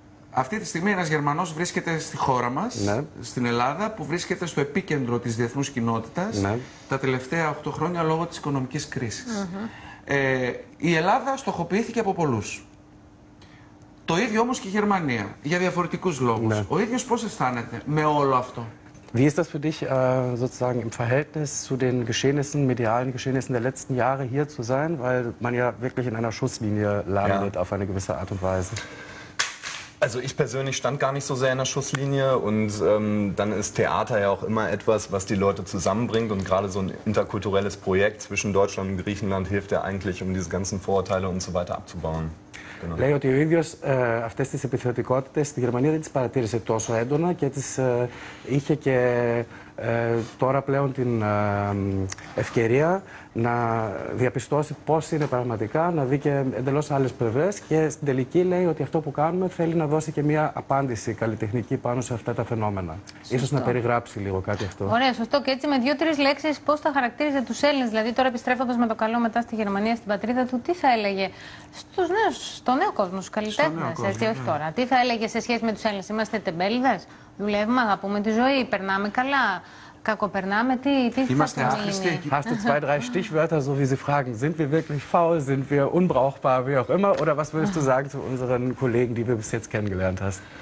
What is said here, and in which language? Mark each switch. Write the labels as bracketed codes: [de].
[el] Αυτή τη στιγμή ένας Γερμανός βρίσκεται στη χώρα μας, στην Ελλάδα, που βρίσκεται στο επίκεντρο της διεθνούς κοινότητας τα τελευταία 8 χρόνια λόγω της οικονομικής κρίσης. Η Ελλάδα στοχοποιήθηκε από πολλούς. Το ίδιο όμως και η Γερμανία, για διαφορετικούς λόγους. Ο ίδιος πώς αισθάνεται με όλο αυτό? [de] Wie ist das für dich, sozusagen im Verhältnis zu den Geschehnissen, medialen Geschehnissen der letzten Jahre hier zu sein, weil man ja wirklich in einer Schusslinie landet auf eine gewisse Art und Weise? Also ich persönlich stand gar nicht so sehr in der Schusslinie und dann ist Theater ja auch immer etwas, was die Leute zusammenbringt und gerade so ein interkulturelles Projekt zwischen Deutschland und Griechenland hilft ja eigentlich, um diese ganzen Vorurteile und so weiter abzubauen. [el] Λέει ότι ο ίδιος αυτές τις επιθετικότητες στη Γερμανία δεν τις παρατήρησε τόσο έντονα και τις είχε και τώρα πλέον την ευκαιρία να διαπιστώσει πώς είναι πραγματικά, να δει και εντελώς άλλες πλευρές και στην τελική λέει ότι αυτό που κάνουμε θέλει να δώσει και μια απάντηση καλλιτεχνική πάνω σε αυτά τα φαινόμενα. Σωστό. Ίσως να περιγράψει λίγο κάτι αυτό. Ωραία, σωστό. Και έτσι με 2-3 λέξεις πώς θα χαρακτήριζε τους Έλληνες, δηλαδή τώρα επιστρέφοντας με το καλό μετά στη Γερμανία, στην πατρίδα του, τι θα έλεγε στους νέους, στο νέο κόσμο, στους καλλιτέχνες, έτσι, όχι τώρα. Τι θα έλεγε σε σχέση με τους Έλληνες, είμαστε τεμπέληδες, δουλεύουμε, αγαπούμε τη ζωή, περνάμε καλά. Κακοπερνάμε, τι είμαστε άχρηστοι. [de] Hast du 2-3 Stichwörter, so wie sie fragen, sind wir wirklich faul, sind wir unbrauchbar, wie auch immer, oder was würdest du sagen zu unseren Kollegen, die wir bis jetzt kennengelernt hast?